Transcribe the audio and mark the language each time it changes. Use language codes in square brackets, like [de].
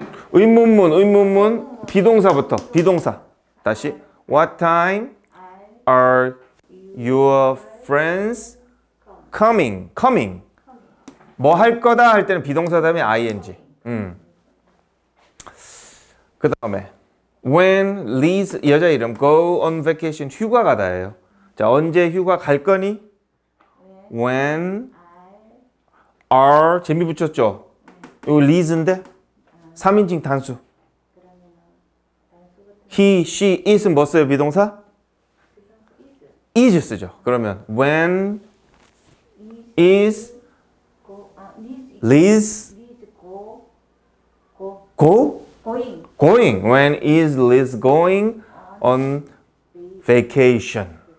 [ko] 의문문, 의문문, 비동사부터, 비동사. 다시. [en] What time are your friends coming? Coming. [ko] 뭐 할 거다 할 때는 비동사 다음에 ing. 그 다음에. [en] When [ko] Liz, 여자 이름, [en] go on vacation, [ko] 휴가 가다예요. 자, 언제 휴가 갈 거니? [en] When are, [ko] 재미 붙였죠? 이거 Liz인데? 3인칭 단수. 그러면 he, she, is 뭐 써요? 비동사? is 쓰죠. 그러면 [en] when is Liz going? When is Liz going on vacation?